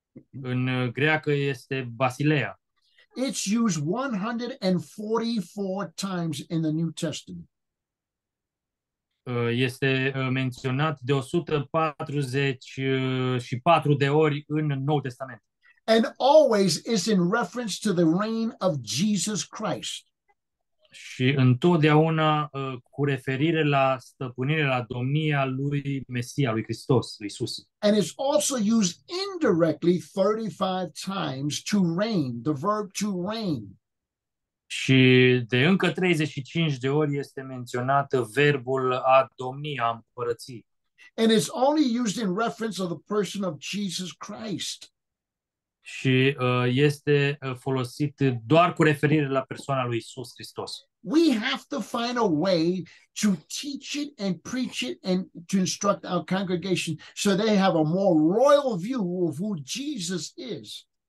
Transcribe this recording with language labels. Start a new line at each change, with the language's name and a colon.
Romanian: În greacă este basileia.
English: It's used 144 times in the New Testament.
Romanian: Este menționat de 144 de ori în Noul Testament.
English: And always is in reference to the reign of Jesus Christ.
Romanian: Și întotdeauna cu referire la stăpânirea, la domnia lui Mesia, lui Hristos, lui Iisus.
English: And it's also used indirectly 35 times to reign, the verb to reign.
Romanian: Și de încă 35 de ori este menționat verbul a domni, a împărăți.
English: And it's only used in reference of the person of Jesus Christ.
Romanian: Și este folosit doar cu referire la persoana lui Iisus Hristos.
English: We have to find a way to teach it and preach it and to instruct our congregation so they have a more royal view of who Jesus is.